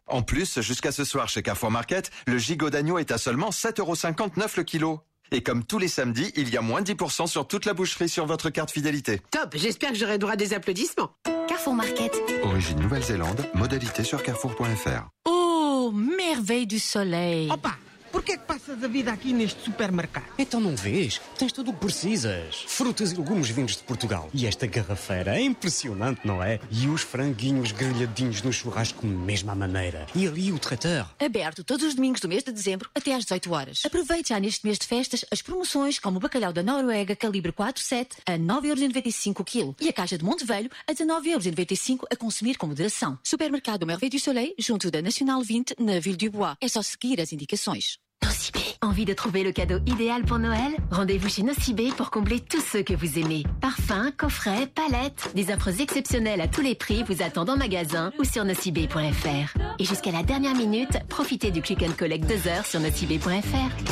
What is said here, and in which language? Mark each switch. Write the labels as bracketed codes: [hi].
[fr] En plus, jusqu'à ce soir chez Carrefour Market, le gigot d'agneau est à seulement 7,59€ le kilo. Et comme tous les samedis, il y a moins de 10% sur toute la boucherie sur votre carte fidélité. Top, j'espère que j'aurai droit à des applaudissements. Carrefour Market. Origine Nouvelle-Zélande, modalité sur carrefour.fr. Oh, merveille du soleil. Opa. [pt] Porquê é que passas a vida aqui neste supermercado? Então não vês? Tens tudo o que precisas. Frutas e legumes vindos de Portugal. E esta garrafeira é impressionante, não é? E os franguinhos grelhadinhos no churrasco, mesmo à maneira. E ali o trator. Aberto todos os domingos do mês de dezembro, até às 18 horas. Aproveite já neste mês de festas as promoções, como o bacalhau da Noruega, calibre 4,7, a 9,95€ o quilo. E a caixa de Monte Velho, a 19,95€, a consumir com moderação. Supermercado Merveille du Soleil, junto da Nacional 20, na Ville du Bois. É só seguir as indicações. [fr] Nocibé. Envie de trouver le cadeau idéal pour Noël? Rendez-vous chez Nocibé pour combler tous ceux que vous aimez. Parfums, coffrets, palettes, des offres exceptionnelles à tous les prix vous attendent en magasin ou sur nocibé.fr. Et jusqu'à la dernière minute, profitez du click and collect 2h sur nocibé.fr.